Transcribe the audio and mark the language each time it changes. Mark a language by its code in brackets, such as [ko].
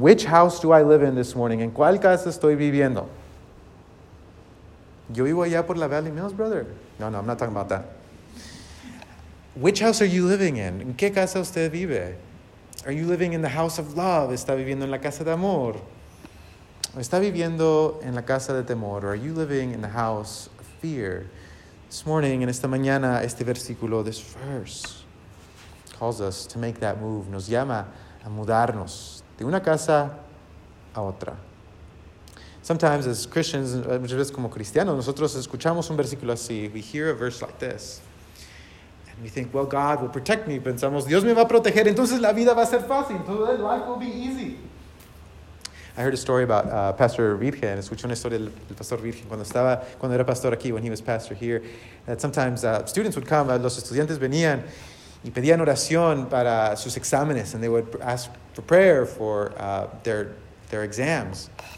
[en] Which house do I live in this morning? [es] ¿En cuál casa estoy viviendo? Yo vivo allá por la [en] Valley Mills, brother. No, no, I'm not talking about that. Which house are you living in? [es] ¿En qué casa usted vive? [en] Are you living in the house of love? [es] ¿Está viviendo en la casa de amor? ¿O está viviendo en la casa de temor? [en] Or are you living in the house of fear? This morning, [es] en esta mañana, este versículo, [en] this verse, calls us to make that move. [es] Nos llama a mudarnos de una casa a otra. [en] Sometimes as Christians, [es] muchas veces como cristianos, nosotros escuchamos un versículo así. [en] We hear a verse like this. And we think, well, God will protect me. [es] Pensamos, Dios me va a proteger. Entonces la vida va a ser fácil. Entonces [en] life will be easy. I heard a story about Pastor Virgen. [es] Escuché una historia del Pastor Virgen cuando era pastor aquí, [en] when he was pastor here. That sometimes students would come, [es] los estudiantes venían y pedían oración para sus exámenes, [en] and they would ask for prayer for their exams.